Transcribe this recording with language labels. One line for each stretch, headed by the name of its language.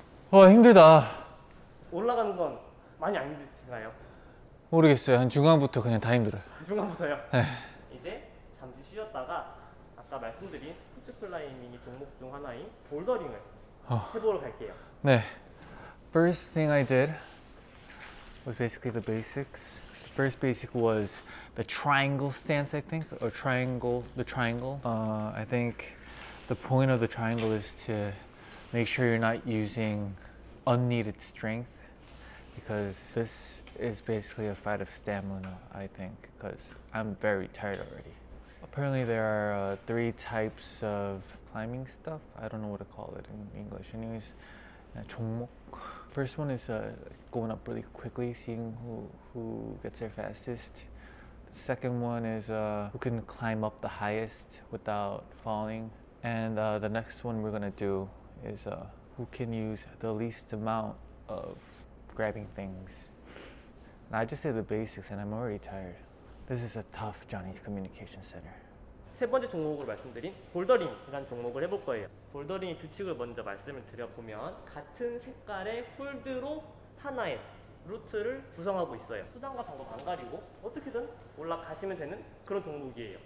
Korean: 와, 힘들다. 올라가는 건 많이 안 힘드신가요? 모르겠어요. 한 중간부터 그냥 다 힘들어요. 중간부터요? 네. 이제 잠시 쉬었다가 아까 말씀드린 스포츠 클라이밍이 종목 중 하나인 볼더링을 해보러 갈게요. 네.
English: First thing I did was basically the basics. The first basic was the triangle stance, I think, or triangle, the triangle. I think the point of the triangle is to make sure you're not using unneeded strength because this is basically a fight of stamina, I think, because I'm very tired already. Apparently there are three types of climbing stuff. I don't know what to call it in English. Anyways, 종목. First one is going up really quickly, seeing who gets there fastest. The second one is who can climb up the highest without falling. And the next one we're gonna do is who can use the least amount of grabbing things. Now, I just say the basics and I'm already tired. This is a tough Johnny's Communication Center.
Korean: 세 번째 종목으로 말씀드린 볼더링이라는 종목을 해볼 거예요. 볼더링의 규칙을 먼저 말씀을 드려보면 같은 색깔의 홀드로 하나의 루트를 구성하고 있어요. 수단과 방법 안 가리고 어떻게든 올라가시면 되는 그런 종목이에요.